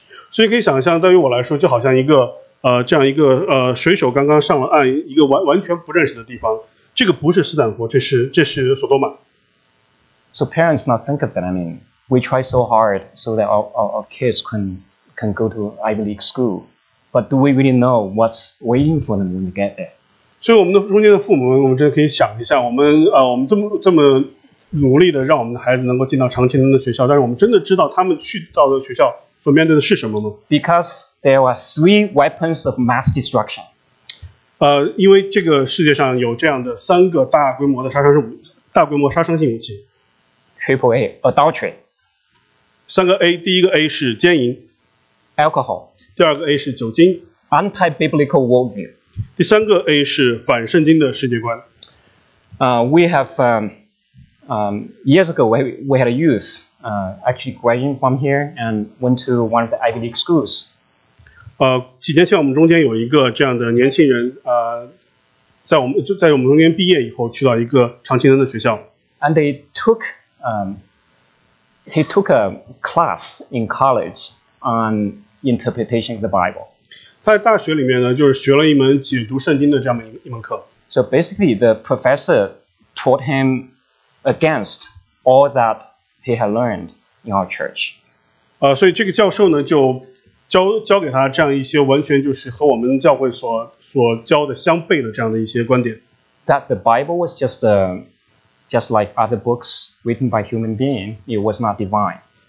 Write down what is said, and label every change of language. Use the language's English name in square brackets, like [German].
[Chinese] 所以可以想象，对于我来说，就好像一个这样一个水手刚刚上了岸，一个完全不认识的地方。这个不是斯坦福，这是索多玛。 [English] So parents not think of that. I mean, we try so hard so that our kids can go to Ivy League school, but do we really know what's waiting for them when they get there? [Chinese] 所以我们的中间的父母，我们真的可以想一下，我们这么。努力的让我们的孩子能够进到常青藤的学校，但是我们真的知道他们去到的学校所面对的是什么吗？ [English] Because there were three weapons of mass destruction. [Chinese] 因为这个世界上有这样的三个大规模的杀伤性武器，大规模杀伤性武器。 [English] Triple A, adultery. [Chinese] 三个 A, 第一个 A 是奸淫。 [English] Alcohol. [Chinese] 第二个 A 是酒精。 [English] Anti-biblical worldview. [Chinese] 第三个 A 是反圣经的世界观。 [English] We have, years ago, we had a youth, actually graduating from here and went to one of the Ivy League schools. [Chinese] 几年前我们中间有一个这样的年轻人，在我们中间毕业以后，去到一个常青藤的学校。 [English] And they took, he took a class in college on interpretation of the Bible. [Chinese] 他在大学里面呢，就是学了一门解读圣经的这样一门课。 [English] So basically, the professor taught him against all that he had learned in our church. [Chinese] 所以这个教授呢就。教给他这样一些完全就是和我们教会所教的相悖的这样的一些观点。 [English] That the Bible was just like other books written by human being, it was not divine.